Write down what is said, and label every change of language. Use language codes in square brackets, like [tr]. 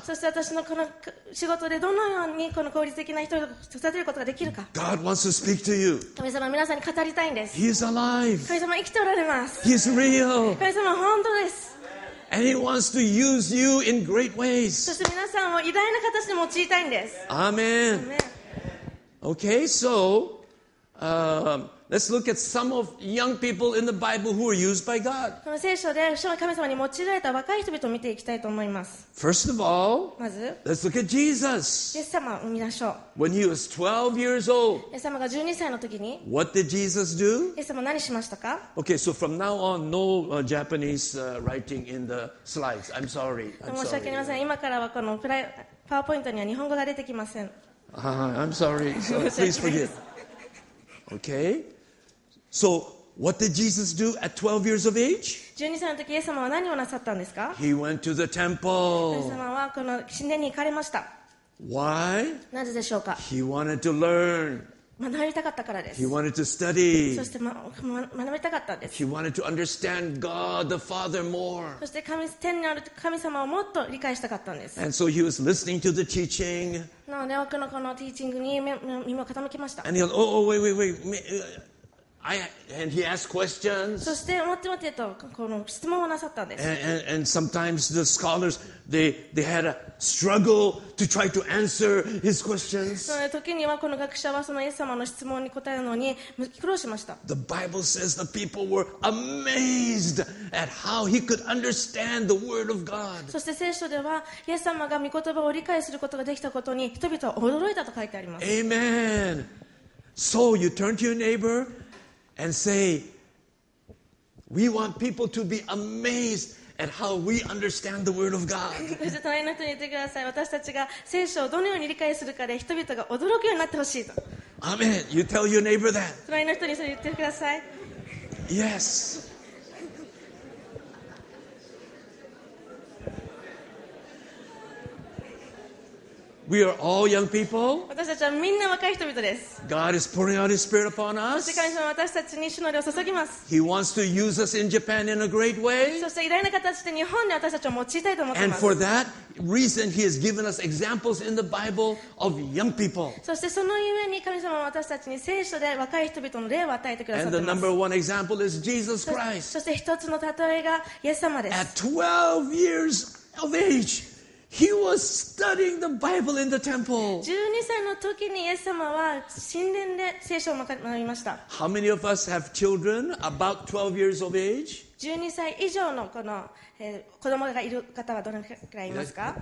[ja] そして私のこの仕事でどのようにこの効率的な人を育てることができるか? [en] God wants to speak to you. [ja] 神様は皆さんに語りたいんです。 [en] He is alive. [ja] 神様は生きておられます。 [en] He is real. [ja] 神様は本当です。 [en] And He wants to use you in great ways. [ja] そして皆さんを偉大な形で用いたいんです。 [en] Amen. Okay, so, let's look at some of young people in the Bible who are used by God. [ja] この聖書で神様に用いられた若い人々を見ていきたいと思います。 [en] First of all, [ja] まず、 [en] let's look at Jesus. [ja] イエス様を見ましょう。 [en] When he was 12 years old, [ja] イエス様が12歳の時に、 [en] what did Jesus do? [ja] イエス様何しましたか? [en] Okay, so from now on, no Japanese writing in the slides. I'm sorry. [ja] 申し訳ありません。今からはこのパワーポイントには日本語が出てきません。 [en] I'm sorry. So please forgive. Okay. So, what did Jesus do at 12 years of age? [ja] 12歳の時、イエス様は何をなさったんですか? [en] He went to the temple. [ja] イエス様はこの神殿に行かれました。 [en] Why? [ja] なぜでしょうか? [en] He wanted to learn. [ja] 学びたかったからです。 [en] He wanted to study. [ja] そして、学びたかったんです。 [en] He wanted to understand God the Father more. [ja] そして天にある神様をもっと理解したかったんです。 [en] And so he was listening to the teaching. [ja] なので、多くのこのティーチングに耳を傾けました。 [en] And he goes, oh, wait. And he asked questions. [ja] そして待てとこの質問をなさったんです。 [en] And sometimes the scholars they had a struggle to try to answer his questions. [ja] その時にはこの学者はそのイエス様の質問に答えるのに苦労しました。 [en] The Bible says the people were amazed at how he could understand the word of God. [ja] そして聖書ではイエス様が御言葉を理解することができたことに人々は驚いたと書いてあります。 [en] Amen. So you turn to your neighbor. And say, we want people to be amazed at how we understand the word of God. [ja] 隣の人に言ってください。私たちが聖書をどのように理解するかで人々が驚くようになってほしいと。 [en] Amen. You tell your neighbor that. [ja] 隣の人にそれ言ってください。 [en] Yes. We are all young people. [ja] 私たちはみんな若い人々です。 [en] God is pouring out His Spirit upon us. [ja] そして神様は私たちに主の霊を注ぎます。 [en] He wants to use us in Japan in a great way. [ja] そして偉大な形で日本で私たちを用いたいと思っています。 [en] And for that reason, He has given us examples in the Bible of young people. [ja] そしてそのゆえに神様は私たちに聖書で若い人々の霊を与えてくださっています。 [en] And the number one example is Jesus Christ. [ja] そして一つの例えがイエス様です。 [en] At 12 years of age. He was studying the Bible in the temple. [ja] 12歳の時にイエス様は神殿で聖書を学びました。 [en] How many of us have children about 12 years of age? [ja] 12歳以上の子の、子供がいる方はどのくらいいますか？